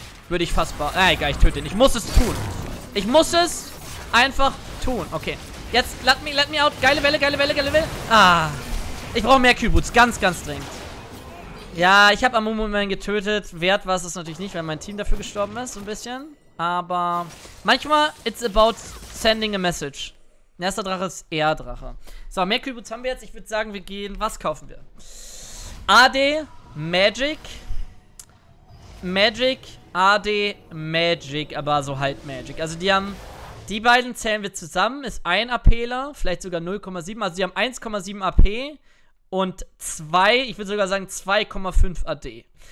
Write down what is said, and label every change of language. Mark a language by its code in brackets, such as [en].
[de] Würde ich fassbar... Ah, egal, ich töte ihn. Ich muss es tun. Ich muss es einfach tun. Okay. Jetzt, [en] let me out. [de] Geile Welle, geile Welle, geile Welle. Ah. Ich brauche mehr Q-Boots. Ganz, ganz dringend. Ja, ich habe Amumu-Man getötet. Wert war es natürlich nicht, weil mein Team dafür gestorben ist, so ein bisschen. Aber manchmal, [en] it's about sending a message. [de] Nächster Drache ist eher Drache. So, mehr Q-Boots haben wir jetzt. Ich würde sagen, wir gehen... Was kaufen wir? AD, Magic. Magic, AD, Magic. Aber so halt Magic. Also die haben... Die beiden zählen wir zusammen, ist ein APler, vielleicht sogar 0,7, also sie haben 1,7 AP und 2, ich würde sogar sagen 2,5 AD.